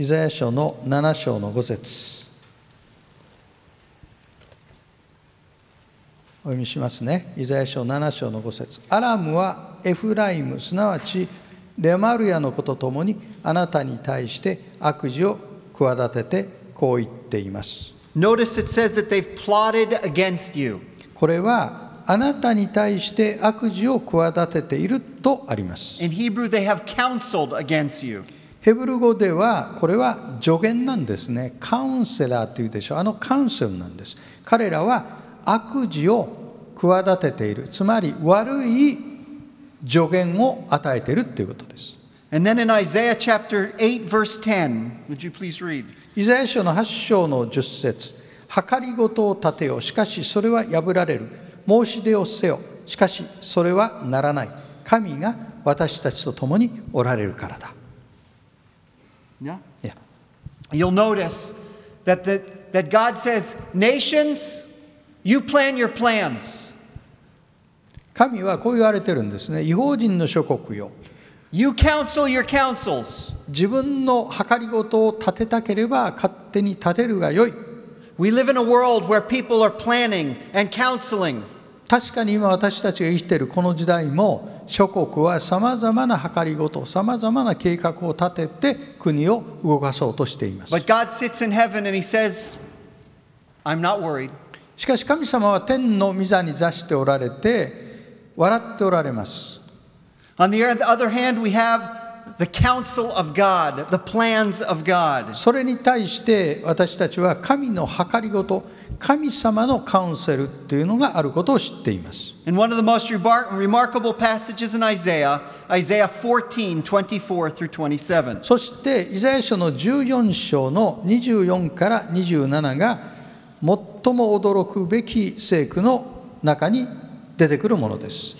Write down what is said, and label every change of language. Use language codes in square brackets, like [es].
[ja] イザヤ書の7章の5節、お読みしますね。イザヤ書7章の5節、アラムはエフライム、すなわちレマルヤのことともにあなたに対して悪事を企ててこう言っています。 [en] Notice it says that they've plotted against you. [ja] これはあなたに対して悪事を企てているとあります。 [en] In Hebrew, they have counseled against you. [ja] ヘブル語ではこれは助言なんですね。カウンセラーというでしょう、あのカウンセルなんです。彼らは悪事を企てている、つまり悪い助言を与えているということです。 [en] And then in Isaiah chapter 8 verse 10, would you please read? [ja] イザヤ書の8章の10節、計りごとを立てよ、しかしそれは破られる。申し出をせよ、しかしそれはならない。神が私たちと共におられるからだ。 [en] Yeah? Yeah. You'll notice that, that God says, Nations, you plan your plans. [ja] 神はこう言われてるんですね。異邦人の諸国よ、 [en] you counsel your counsels. [ja] 自分の計りごとを立てたければ勝手に立てるがよい。 [en] We live in a world where people are planning and counseling. [ja] 確かに今私たちが生きているこの時代も、諸国はさまざまな計りごと、さまざまな計画を立てて国を動かそうとしています。 [en] But God sits in heaven and he says, I'm not worried. [ja] しかし神様は天の御座に座しておられて笑っておられます。 [en] On the other hand, we have the counsel of God, the plans of God. [ja] それに対して私たちは神の計りごと、神様のカウンセルというのがあることを知っています。 [en] In one of the most remarkable passages in Isaiah, Isaiah 14, 24 through 27. [ja] そしてイザヤ書の14章の24から27が最も驚くべき聖句の中に出てくるものです。